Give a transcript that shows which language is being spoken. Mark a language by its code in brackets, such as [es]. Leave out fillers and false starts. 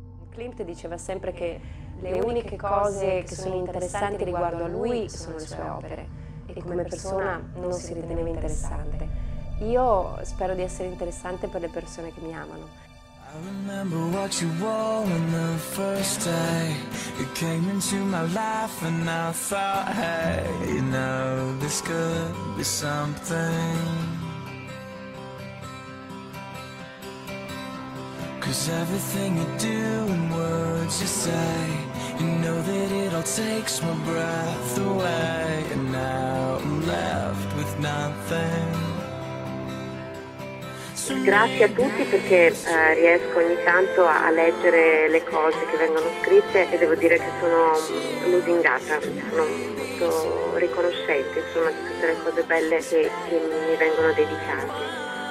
[it] Klimt diceva sempre che le uniche cose che sono interessanti riguardo a lui sono le sue opere, e come persona non si riteneva interessante. Io spero di essere interessante per le persone che mi amano. [en] I remember what you wore on the first day. You came into my life and I thought, hey, you know, this could be something. Cause everything you do and words you say, you know that it all takes my breath away. And now I'm left with nothing. [it] Grazie a tutti, perché riesco ogni tanto a leggere le cose che vengono scritte e devo dire che sono lusingata, sono molto riconoscente insomma di tutte le cose belle che mi vengono dedicate.